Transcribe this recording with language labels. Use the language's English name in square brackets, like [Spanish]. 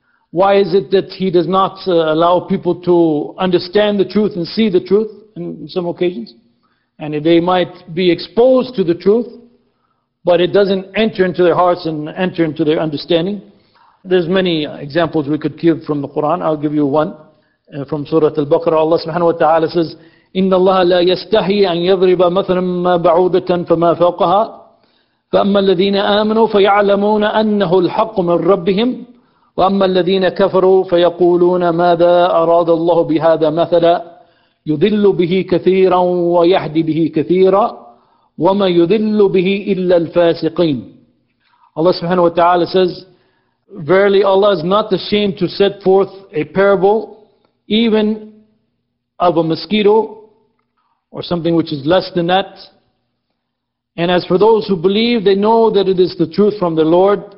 [English] Why is it that He does not allow people to understand the truth and see the truth in some occasions? And they might be exposed to the truth, but it doesn't enter into their hearts and enter into their understanding. There's many examples we could give from the Quran. I'll give you one from Surah Al-Baqarah. Allah subhanahu wa ta'ala says, [Arabic] إِنَّ اللَّهَ لَا يَسْتَحِي أَنْ يَضْرِبَ مَثَلًا مَا بَعُوضَةً فَمَا فَوْقَهَا فَأَمَّا الَّذِينَ آمَنُوا فَيَعْلَمُونَ أَنَّهُ الْحَقُّ مِنْ رَبِّهِمْ وَأَمَّا الَّذِينَ كَفَرُوا فَيَقُولُونَ مَاذَا أَرَادَ اللَّهُ بِهَذَا مَثَلًا يُضِلُّ بِهِ كَثِيرًا وَيَهْدِي بِهِ كَثِيرًا وَمَا يُضِلُّ بِهِ إِلَّا الْفَاسِقِينَ. [English] Allah subhanahu wa ta'ala says, verily Allah is not ashamed to set forth a parable even of a mosquito or something which is less than that. And as for those who believe, they know that it is the truth from the Lord.